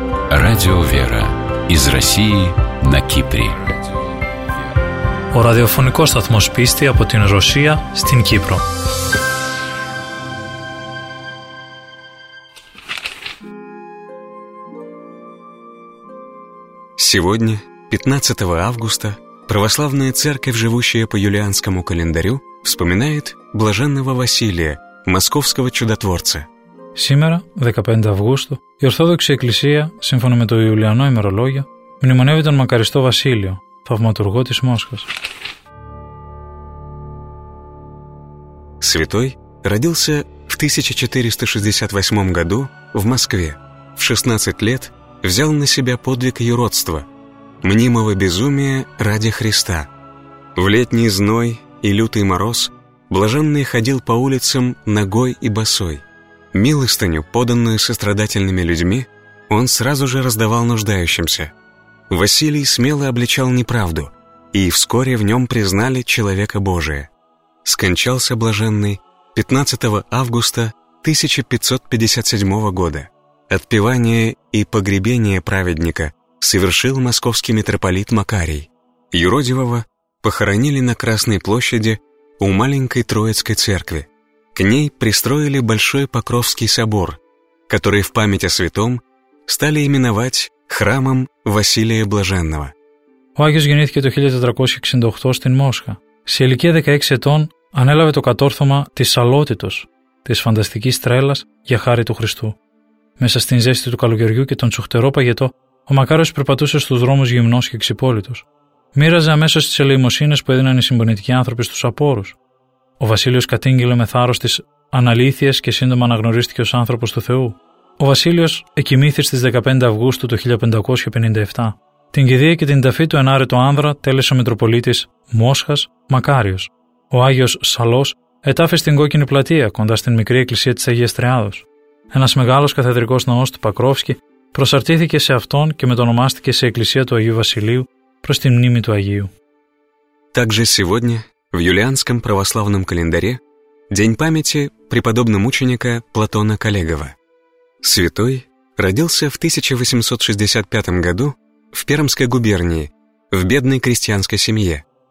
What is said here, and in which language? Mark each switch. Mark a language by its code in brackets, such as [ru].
[ru] Радио «Вера» из России на Кипре. [el] Ο ραδιοφωνικός σταθμός πίστη από την Ρωσία στην Κύπρο. [ru] Сегодня, 15 августа, православная церковь, живущая по юлианскому календарю, вспоминает блаженного Василия, московского чудотворца. [el] Σήμερα, 15 Αυγούστου, η Ορθόδοξη Εκκλησία, σύμφωνα με το Ιουλιανό ημερολόγιο, μνημονεύει τον μακαριστό Βασίλειο, θαυματουργό της Μόσχας. [ru] Святой родился в 1468 году в Москве. В 16 лет взял на себя подвиг юродства, мнимого безумия ради Христа. В летний зной и лютый мороз блаженный ходил по улицам ногой и босой. Милостыню, поданную сострадательными людьми, он сразу же раздавал нуждающимся. Василий смело обличал неправду, и вскоре в нем признали человека Божия. Скончался блаженный 15 августа 1557 года. Отпевание и погребение праведника совершил московский митрополит Макарий. Юродивого похоронили на Красной площади у маленькой Троицкой церкви. К ней пристроили Большой Покровский собор, который в память о святом стали именовать храмом Василия Блаженного. [el] Ο Άγιος γεννήθηκε το 1468 στην Μόσχα. Σε ηλικία 16 ετών ανέλαβε το κατόρθωμα της σαλότητος, της φανταστικής τρέλας για χάρη του Χριστού. Μέσα στην ζέστη του καλοκαιριού και τον τσουχτερό παγετό, ο Μακάριος περπατούσε στους δρόμους γυμνός και ξυπόλυτος. Μοίραζε αμέσως τις ελεημοσύνες που έδιναν οι συμπονητικοί άνθρωποι στους απόρους. Ο Βασίλειος κατήγγειλε με θάρρος τις αναλήθειες και σύντομα αναγνωρίστηκε ως άνθρωπος του Θεού. Ο Βασίλειος εκοιμήθη στις 15 Αυγούστου του 1557. Την κηδεία και την ταφή του ενάρετου άνδρα τέλεσε ο Μητροπολίτης Μόσχας Μακάριος. Ο Άγιος Σαλός ετάφη στην Κόκκινη Πλατεία, κοντά στην μικρή εκκλησία της Αγίας Τριάδος. Ένας μεγάλος καθεδρικός ναός του Πακρόφσκι προσαρτήθηκε σε αυτόν και μετονομάστηκε σε Εκκλησία του Αγίου Βασιλείου προς τη μνήμη του Αγίου. [ru] Также сегодня в юлианском православном календаре день памяти преподобномученика Платона Колегова. Святой родился в 1865 году в Пермской губернии, в бедной крестьянской семье.